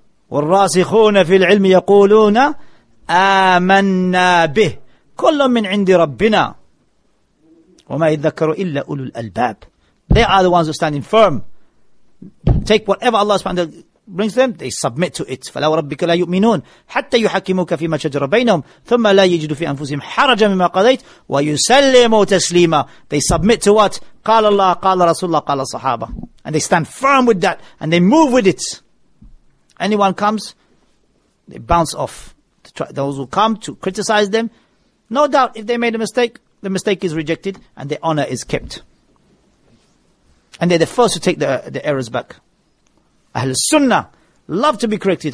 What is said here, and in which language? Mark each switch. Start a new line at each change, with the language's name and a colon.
Arabic: والراسخون في العلم يقولون آمنا به كل من عند ربنا وما يذكر إلا أولو الألباب.
English: They are the ones who standing firm. Take whatever Allah subhanahu wa ta'ala brings them, they submit to it.
Arabic: فلا وربك لا يؤمنون حتى يحكموك فيما شجر بينهم ثم لا يجدوا في أنفسهم حرجا مما قضيت ويسلموا تسليما.
English: They submit to what?
Arabic: قال الله قال رسول الله قال الصحابة.
English: And they stand firm with that and they move with it. Anyone comes, they bounce off. Those who come to criticize them, no doubt if they made a mistake, the mistake is rejected and their honor is kept. And they're the first to take the errors back. Ahl Sunnah love to be corrected.